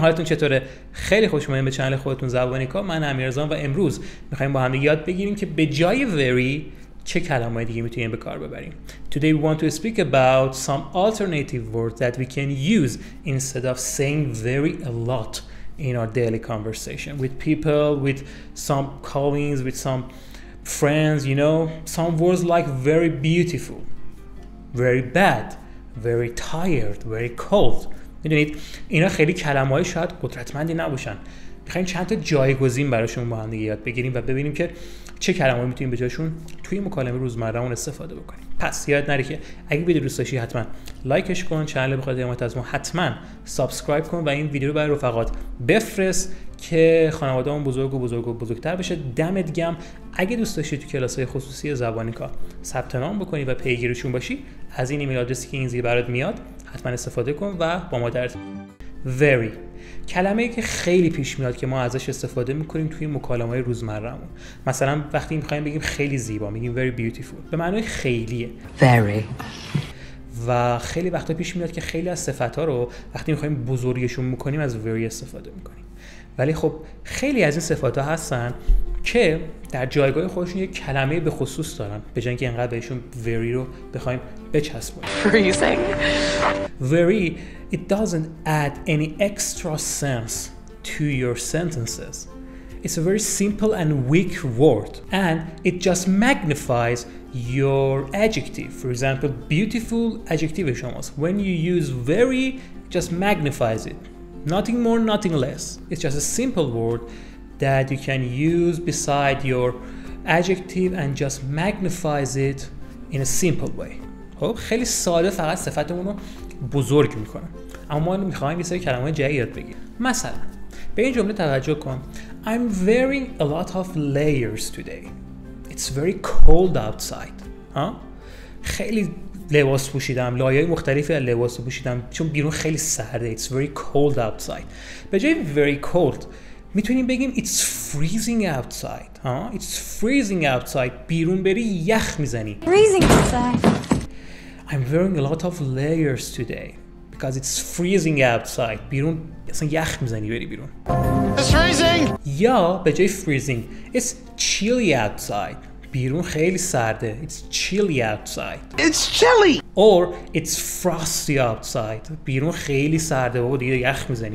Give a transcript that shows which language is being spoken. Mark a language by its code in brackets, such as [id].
[fa] حالتون چطوره؟ خیلی خوش اومدین به چنل خودتون زبانیکا. من امیررضا و امروز می‌خوایم با هم یاد بگیریم که به جای very چه کلمات دیگه میتونیم به کار ببریم. [en] Today we want to speak about some alternative words that we can use instead of saying very a lot in our daily conversation with people, with some colleagues, with some friends, you know, some words like very beautiful, very bad, very tired, very cold. [fa] میدونید اینا خیلی کلمه‌های شاید قدرتمندی نباشن. می‌خوایم چند تا جایگزین براشون با هم دیگه یاد بگیریم و ببینیم که چه کلمه‌ای می‌تونیم به جاشون توی مکالمه روزمره‌مون استفاده بکنیم. پس یاد نری که اگه ویدیو دوست داشتی حتما لایکش کن، چنل رو بخواد حمایت از ما حتما سابسکرایب کن و این ویدیو رو برای رفقات بفرست که خانواده‌مون بزرگ و بزرگ و بزرگتر بشه. دمت گرم. اگه دوست داشتی تو کلاس‌های خصوصی زبانیکا ثبت نام بکنی و پیگیرشون باشی، از این ایمیل آدرسی که این زیر برات میاد حتما استفاده کن و با ما در very کلمه ای که خیلی پیش میاد که ما ازش استفاده میکنیم توی مکالمه‌های روزمره‌مون. مثلا وقتی میخوایم بگیم خیلی زیبا میگیم [en] very beautiful، [fa] به معنای خیلیه [en] very. [fa] و خیلی وقتا پیش میاد که خیلی از صفت ها رو وقتی میخوایم بزرگشون میکنیم از very استفاده میکنیم، ولی خب خیلی از این صفت ها هستن که در جایگاه خودشون یه کلمه به خصوص دارن به جای اینکه انقدر بهشون very رو بخوایم بچسبونیم. [en] Freezing. Very, it doesn't add any extra sense to your sentences. It's a very simple and weak word and it just magnifies your adjective. For example, beautiful adjective [fa] شماست. [en] When you use very, it just magnifies it. Nothing more, nothing less. It's just a simple word that you can use beside your adjective and just magnifies it in a simple way. [fa] خب خیلی ساده فقط صفتمون رو بزرگ میکنه. اما ما میخواهیم یه سری کلمه جدید یاد بگیریم. مثلا به این جمله توجه کن. [en] I'm wearing a lot of layers today. It's very cold outside. [fa] خیلی لباس پوشیدم. لایه‌های مختلفی از لباس پوشیدم چون بیرون خیلی سرده. [en] It's very cold outside. [fa] به جای [en] very cold [fa] میتونیم بگیم [en] it's freezing outside. It's freezing outside. [fa] بیرون بری یخ میزنی. [en] Freezing outside. I'm wearing a lot of layers today because it's freezing outside. [fa] بیرون اصلا یخ میزنی بری بیرون. [en] It's freezing. [fa] یا به جای [en] freezing it's chilly outside. [fa] بیرون خیلی سرده. [en] It's chilly outside. It's chilly. Or it's frosty outside. [fa] بیرون خیلی سرده بابا دیگه یخ میزنی.